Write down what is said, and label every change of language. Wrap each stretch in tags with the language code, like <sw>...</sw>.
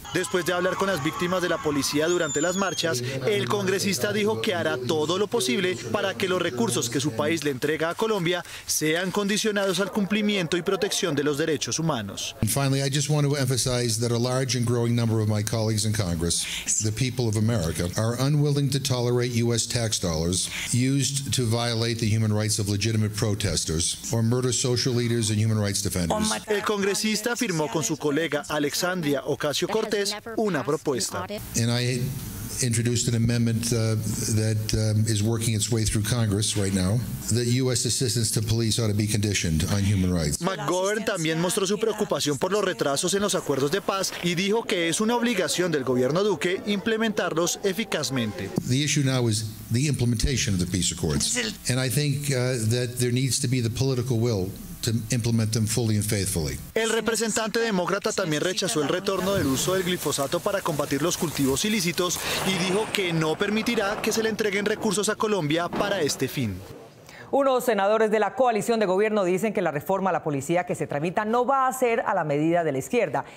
<es>Después de hablar con las víctimas de la policía durante las marchas, el congresista dijo que hará todo lo posible para que los recursos que su país le entrega a Colombia sean condicionados al cumplimiento y protección de los derechos humanos.</es> <en>And finally, I just want to emphasize that a large and growing number of my colleagues in Congress, the people of America, are unwilling to tolerate U.S. tax dollars used to violate the human rights of legitimate protesters or murder social leaders and human rights defenders.</en> <es>El congresista firmó con su colega Alexandria Ocasio-Cortez una propuesta.</es> <en>And I introduced an amendment is working its way through Congress right now that U.S. assistance to police ought to be conditioned on human rights.</en> <es>McGovern también mostró su preocupación por los retrasos en los acuerdos de paz y dijo que es una obligación del gobierno Duque implementarlos eficazmente.</es> <en>The issue now is the implementation of the peace accords, and I think that there needs to be the political will.</en> <es>El representante demócrata también rechazó el retorno del uso del glifosato para combatir los cultivos ilícitos y dijo que no permitirá que se le entreguen recursos a Colombia para este fin. Unos senadores de la coalición de gobierno dicen que la reforma a la policía que se tramita no va a ser a la medida de la izquierda.</es>